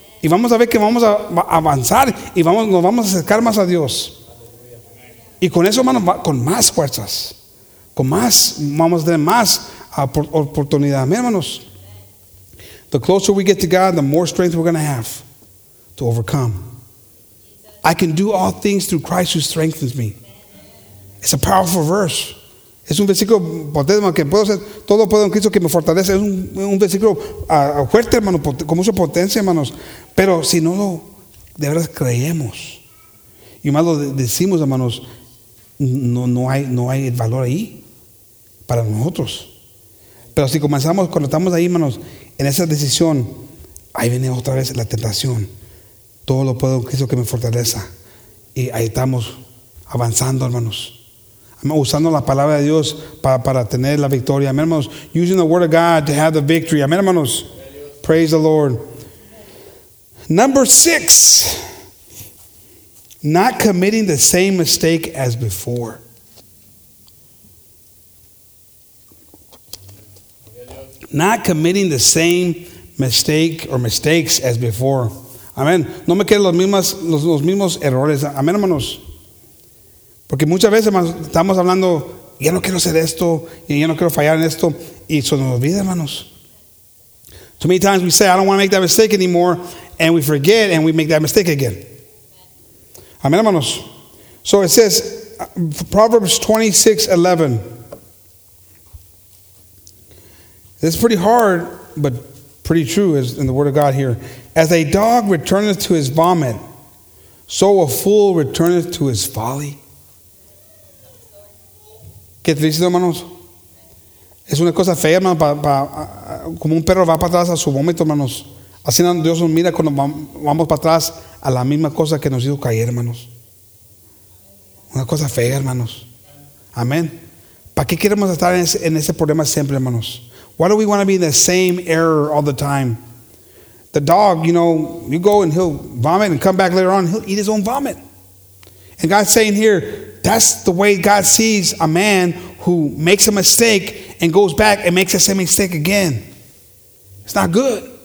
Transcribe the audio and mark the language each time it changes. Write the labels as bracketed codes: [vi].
[es] Y vamos a ver que vamos a avanzar y nos vamos a acercar más a Dios. Y con eso, hermanos, con más fuerzas, con más, vamos a tener más oportunidad. Amén, hermanos. [en] The closer we get to God, the more strength we're going to have to overcome. I can do all things through Christ who strengthens me. It's a powerful verse. [es] Es un versículo potente, que puedo hacer todo puedo en Cristo que me fortalece. Es un versículo fuerte, hermano, con mucha potencia, hermanos. Pero si no lo de verdad creemos, y más lo decimos, hermanos, no hay el valor ahí para nosotros. Pero si comenzamos, cuando estamos ahí, hermanos, en esa decisión, ahí viene otra vez la tentación. Todo lo puedo en Cristo que me fortalece. Y ahí estamos avanzando, hermanos. Usando la palabra de Dios para tener la victoria. Amén, hermanos. [en] Using the word of God to have the victory. [es] Amén, hermanos. [en] Praise the Lord. Number 6. Not committing the same mistake as before. Not committing the same mistake or mistakes as before. [es] Amén. No me queden los mismos errores. Amén, hermanos. Porque muchas veces estamos hablando, ya no quiero hacer esto, y ya no quiero fallar en esto, y se nos olvida, hermanos. [en] Too many times we say, I don't want to make that mistake anymore, and we forget, and we make that mistake again. [es] Amén, hermanos. [en] So it says, Proverbs 26:11. It's pretty hard, but pretty true is in the Word of God here. As a dog returneth to his vomit, so a fool returneth to his folly. [es] Qué triste, hermanos. Es una cosa fea, hermano, como un perro va para atrás a su vómito, hermanos. Así Dios nos mira cuando vamos para atrás a la misma cosa que nos hizo caer, hermanos. Una cosa fea, hermanos. Amén. ¿Para qué queremos estar en ese problema siempre, hermanos? [en] Why do we want to be in the same error all the time? The dog, you know, you go and he'll vomit and come back later on, he'll eat his own vomit. And God's saying here, that's the way God sees a man who makes a mistake and goes back and makes the same mistake again. It's not good.